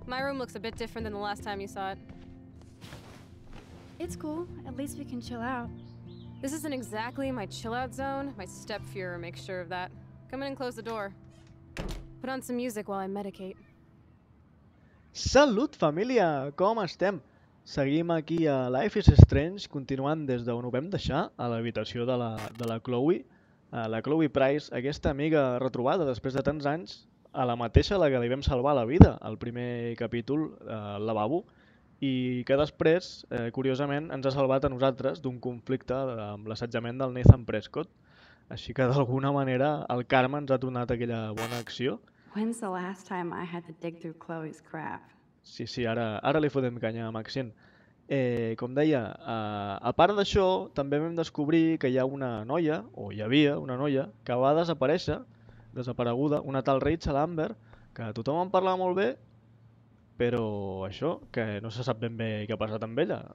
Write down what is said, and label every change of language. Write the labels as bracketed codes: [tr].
[en] room looks a bit different than the last time you saw it. It's cool. At least we can chill out. This isn't exactly my chill-out zone. My step-führer makes sure of that. Come in and close the door. Put on some music while I medicate. [ca] Salut, família! Com estem? Seguim aquí a Life is Strange, continuant des d'on ho vam deixar, a l'habitació de la Chloe. La Chloe Price, aquesta amiga retrobada després de tants anys, a la mateixa la que li vam salvar la vida, al primer capítol, al lavabo, i que després, curiosament, ens ha salvat a nosaltres d'un conflicte amb l'assetjament del Nathan Prescott. Així que, d'alguna manera, el karma ens ha donat aquella bona acció. [en] When's the last time I had to dig through Chloe's crap? [ca] Sí, ara li fotem canya a Maxine. Com deia, a part d'això, també vam descobrir que hi ha una noia, o hi havia una noia, que va desapareguda, una tal Rachel Amber, que tothom en parlava molt bé, però això, que no se sap ben bé què ha passat amb ella.